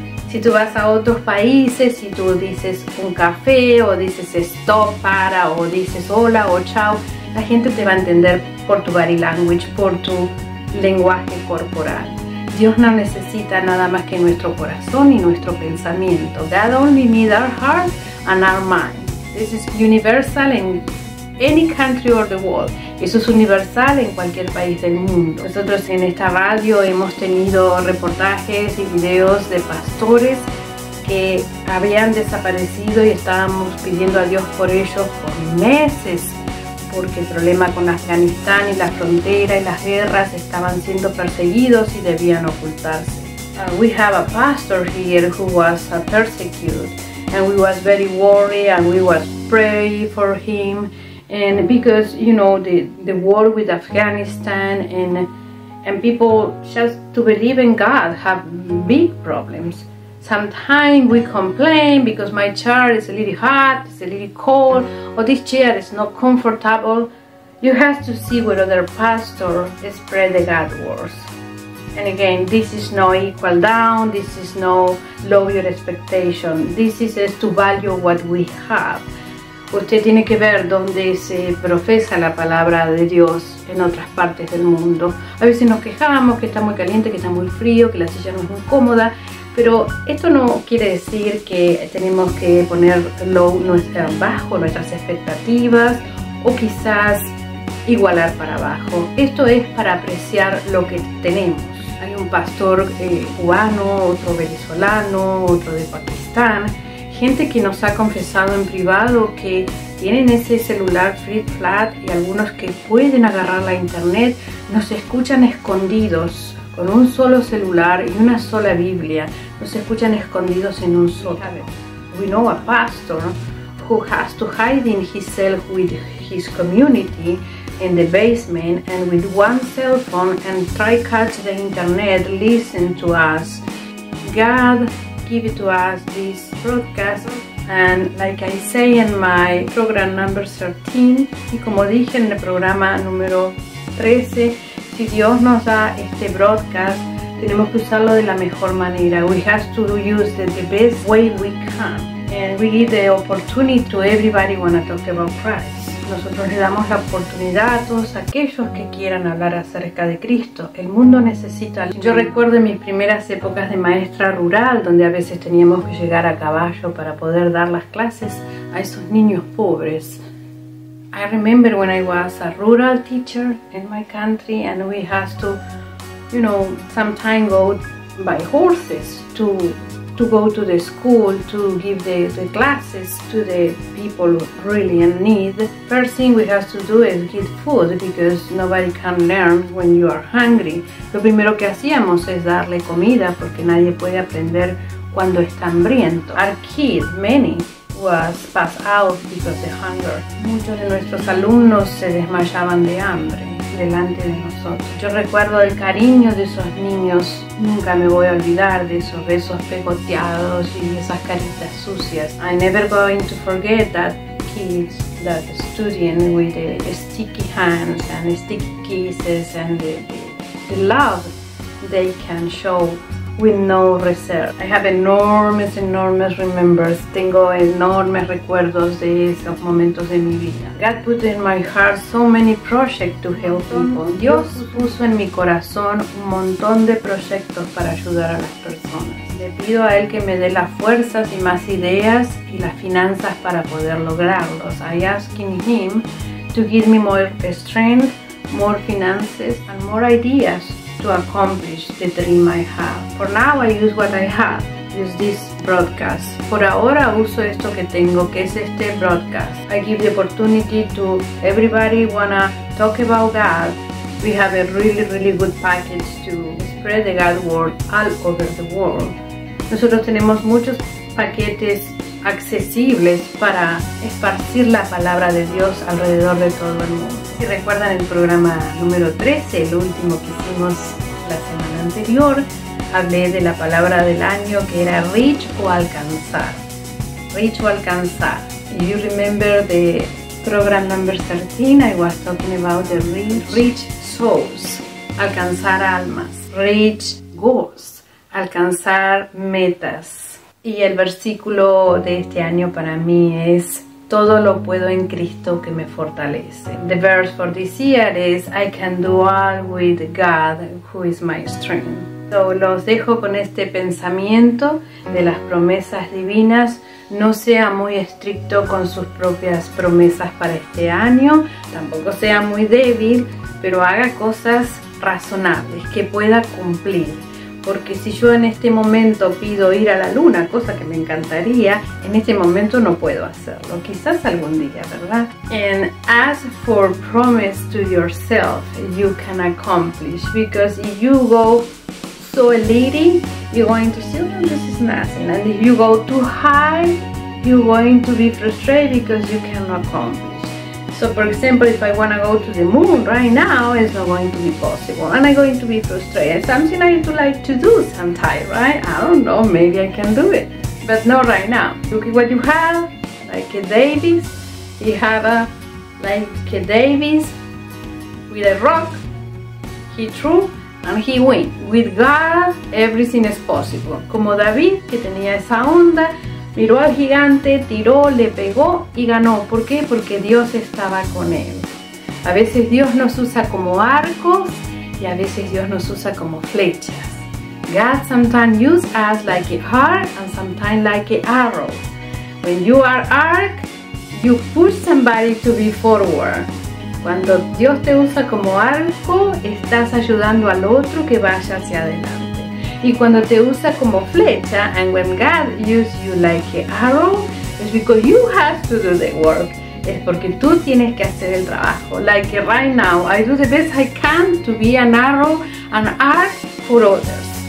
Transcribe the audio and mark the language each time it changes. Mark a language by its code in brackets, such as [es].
[es] Si tú vas a otros países y tú dices un café o dices stop, para, o dices hola o chao, la gente te va a entender por tu body language, por tu lenguaje corporal. Dios no necesita nada más que nuestro corazón y nuestro pensamiento. [en] God only needs our heart and our mind. This is universal in any country or the world. [es] Eso es universal en cualquier país del mundo. Nosotros en esta radio hemos tenido reportajes y videos de pastores que habían desaparecido y estábamos pidiendo a Dios por ellos por meses, porque el problema con Afganistán y la frontera y las guerras, estaban siendo perseguidos y debían ocultarse. [en] We have a pastor here who was persecuted, and we was very worried, and we was praying for him. And because, you know, the war with Afghanistan and people just to believe in God have big problems. Sometimes we complain because my chair is a little hot, it's a little cold, or this chair is not comfortable. You have to see where other pastor spread the God words. And again, this is no equal down, this is no lower expectation. This is just to value what we have. [es] Usted tiene que ver dónde se profesa la palabra de Dios en otras partes del mundo. A veces nos quejamos que está muy caliente, que está muy frío, que la silla no es muy cómoda, pero esto no quiere decir que tenemos que poner bajo nuestras expectativas o quizás igualar para abajo. Esto es para apreciar lo que tenemos. Hay un pastor cubano, otro venezolano, otro de Pakistán. Gente que nos ha confesado en privado que tienen ese celular flip flat y algunos que pueden agarrar la internet, nos escuchan escondidos con un solo celular y una sola Biblia. Nos escuchan escondidos en un sótano. We know a pastor who has to hide himself with his community in the basement and with one cell phone and try catch the internet, listen to us. [en] God give to us this broadcast, and like I say in my program number 13, [es] y como dije en el programa número 13, si Dios nos da este broadcast, tenemos que usarlo de la mejor manera. [en] We have to use it the best way we can, and we give the opportunity to everybody who wanna talk about Christ. [es] Nosotros le damos la oportunidad a todos aquellos que quieran hablar acerca de Cristo. El mundo necesita. Yo recuerdo mis primeras épocas de maestra rural, donde a veces teníamos que llegar a caballo para poder dar las clases a esos niños pobres. [en] I remember when I was a rural teacher in my country, and we had to, you know, sometimes go by horses to go to the school, to give the classes to the people really in need. First thing we have to do is get food, because nobody can learn when you are hungry. [es] Lo primero que hacíamos es darle comida, porque nadie puede aprender cuando está hambriento. [en] Our kids, many, was passed out because of hunger. [es] Muchos de nuestros alumnos se desmayaban de hambre delante de nosotros. Yo recuerdo el cariño de esos niños. Nunca me voy a olvidar de esos besos pegoteados y esas caritas sucias. [en] I never going to forget that kids that studying with the sticky hands and sticky kisses and the love they can show with no reserve. I have enormous, enormous remembers. [es] Tengo enormes recuerdos de esos momentos de mi vida. [en] God put in my heart so many projects to help people. [es] Dios puso en mi corazón un montón de proyectos para ayudar a las personas. Le pido a Él que me dé las fuerzas y más ideas y las finanzas para poder lograrlos. [en] I ask Him to give me more strength, more finances, and more ideas to accomplish the dream I have. For now, I use what I have, use this broadcast. [es] Por ahora uso esto que tengo, que es este broadcast. [en] I give the opportunity to everybody wanna talk about God. We have a really, really good package to spread the God word all over the world. [es] Nosotros tenemos muchos paquetes accesibles para esparcir la palabra de Dios alrededor de todo el mundo. Si recuerdan el programa número 13, el último que hicimos la semana anterior, hablé de la palabra del año que era reach o alcanzar. Reach o alcanzar. [en] If you remember the program number 13, I was talking about the reach souls, [es] alcanzar almas, [en] reach goals, [es] alcanzar metas. Y el versículo de este año para mí es todo lo puedo en Cristo que me fortalece. [en] The verse for this year is I can do all with God who is my strength. [es] So, los dejo con este pensamiento de las promesas divinas. No sea muy estricto con sus propias promesas para este año. Tampoco sea muy débil, pero haga cosas razonables que pueda cumplir. Porque si yo en este momento pido ir a la luna, cosa que me encantaría, en este momento no puedo hacerlo. Quizás algún día, ¿verdad? [en] And as for promise to yourself, you can accomplish. Because if you go so elite, you're going to say, no, this is nothing. And if you go too high, you're going to be frustrated because you cannot accomplish. So, for example, if I want to go to the moon right now, it's not going to be possible. And I'm going to be frustrated. Something I do like to do sometime, right? I don't know. Maybe I can do it. But not right now. Look at what you have. Like a Davis. You have a like a Davis with a rock. He threw and he win. With God, everything is possible. [es] Como David, que tenía esa onda. Miró al gigante, tiró, le pegó y ganó. ¿Por qué? Porque Dios estaba con él. A veces Dios nos usa como arcos y a veces Dios nos usa como flechas. [en] God sometimes uses us like a heart and sometimes like a arrow. When you are arc, you push somebody to be forward. [es] Cuando Dios te usa como arco, estás ayudando al otro que vaya hacia adelante. Y cuando te usa como flecha, [en] and when God uses you like an arrow, it's because you have to do the work. [es] Es porque tú tienes que hacer el trabajo. [en] Like right now, I do the best I can to be an arrow, an arc for others.